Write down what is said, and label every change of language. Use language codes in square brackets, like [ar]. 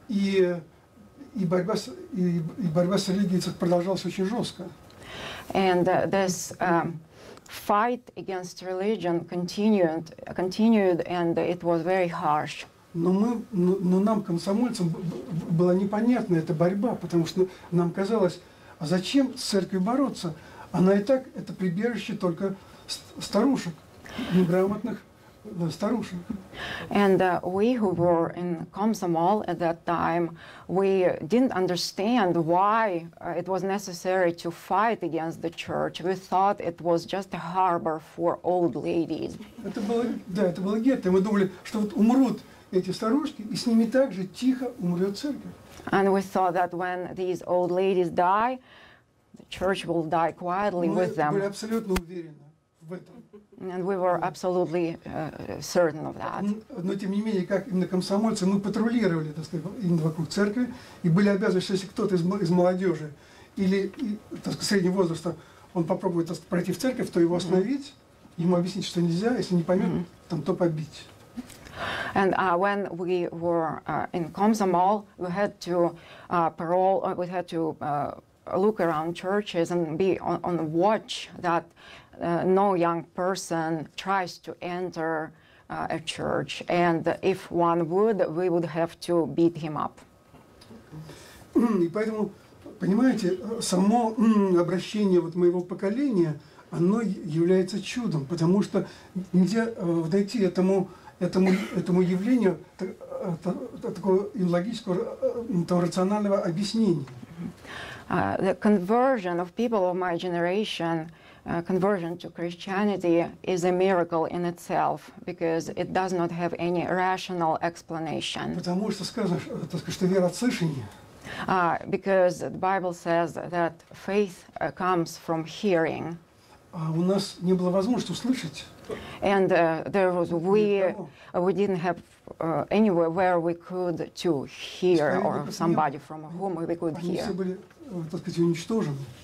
[ru] И борьба с религией продолжалась очень жестко. [en] And this fight against religion continued, and it was very harsh. [ru] Но нам, комсомольцам, была непонятна эта борьба, потому что нам казалось, а зачем с церковью бороться? Она и так это прибежище только старушек, неграмотных старушек. [en] And we who were in Komsomol at that time, we didn't understand why it was necessary to fight against the church. We thought it was just a harbor for old ladies. [ru] Это было гетто. Мы думали, что вот умрут эти старушки, и с ними также тихо умрет церковь. [en] And we thought that when these old ladies die, the church will die quietly with them. [ru] Мы были абсолютно уверены в этом. [en] And we were absolutely certain of that. [ru] Но тем не менее, как именно комсомольцы, мы патрулировали, так сказать, именно вокруг церкви, и были обязаны, что если кто-то из молодежи или, так сказать, среднего возраста, он попробует пройти в церковь, то его остановить, ему объяснить, что нельзя, если не поймет, там, то побить. [en] And when we were in Komsomol, we had to parole. We had to look around churches and be on the watch that no young person tries to enter a church. And if one would, we would have to beat him up. [ru] И поэтому Понимаете, само обращение вот моего поколения, оно является чудом, потому что нельзя дойти этому явлению такого логического, того рационального объяснения. [en] The conversion of people of my generation, conversion to Christianity, is a miracle in itself, because it does not have any rational explanation. [ru] Потому что сказано, что вера от слышания. [en] Because the Bible says that faith comes from hearing. [ru] А у нас не было возможности услышать. [en] And there was we didn't have anywhere where we could to hear or somebody from whom we could hear. [ru] Они все были, так сказать, уничтожены.